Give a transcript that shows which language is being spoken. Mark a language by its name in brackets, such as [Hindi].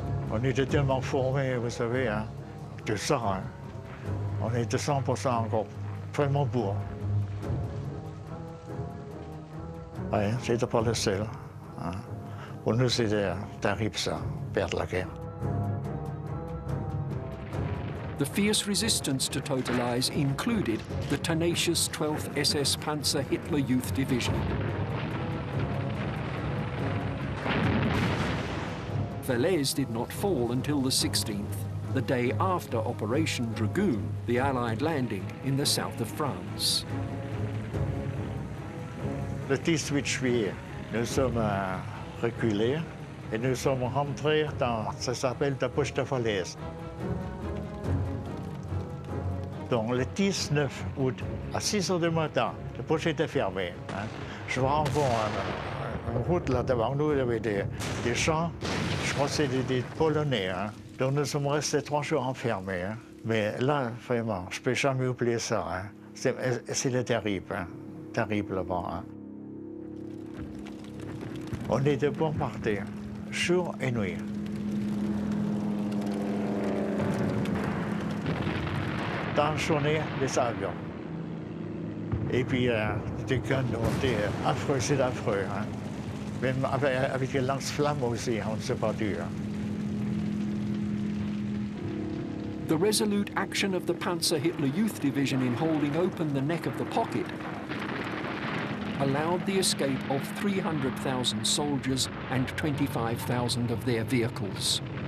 [French] On était tellement formés, vous savez, hein, que ça, hein, on était 100% encore. Vraiment beau. Oui, c'était pas le seul. Hein. Pour nous, c'était terrible, ça, perdre la guerre. [English] The fierce resistance to Totalize included the tenacious 12th SS Panzer Hitler Youth Division. Falaise did not fall until the 16th. The day after Operation Dragoon, the Allied landing in the south of France. [French] Le 18 juillet, nous sommes reculés et nous sommes rentrés dans ce qui s'appelle la poche de falaise. Donc le 19 août, à 6 heures du matin, la poche était fermée. Hein. Je vois encore une route là devant nous, il y avait des champs, je crois que c'est des Polonais. Hein. Donc nous sommes restés 3 jours enfermés. Hein. Mais là, vraiment, je ne peux jamais oublier ça. Hein. C'est terrible, hein. Terriblement. Hein. On était bombardés, jour et nuit. Dans la journée, les avions. Et puis, des guns ont été affreux, c'est affreux. Hein. Même avec les lance-flammes aussi, on s'est battu. Hein. [English] The resolute action of the Panzer Hitler Youth Division in holding open the neck of the pocket allowed the escape of 300,000 soldiers and 25,000 of their vehicles.